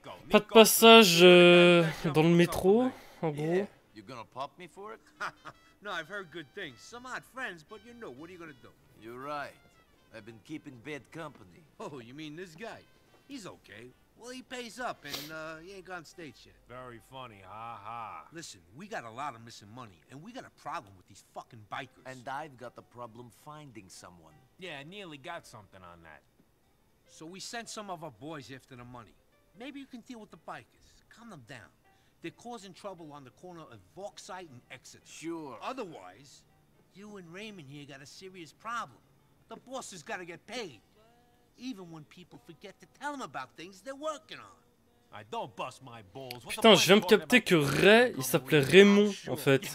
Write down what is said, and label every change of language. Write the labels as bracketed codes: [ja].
[fr] Pas de passage dans le métro, en gros. [en] You gonna pop me for it? No, I've heard good things. Some odd friends, but you know, what are you gonna do? You're right. I've been keeping bad company. Oh, you mean this guy? He's okay. Well, he pays up and he ain't gone stage yet. Very funny, haha. Listen, we got a lot of missing money and we got a problem with these fucking bikers. And I've got the problem finding someone. Yeah, nearly got something on that. So we sent some of our boys after the money. Maybe you can deal with the bikers. Calm them down. They're causing trouble on the corner of Vauxite and Exeter. Sure. Otherwise, you and Raymond here got a serious problem. The boss has got to get paid. Even when people forget to tell them about things they're working on. I don't bust my balls. [fr] Putain, je viens de capter que Ray, il s'appelait Raymond, en fait.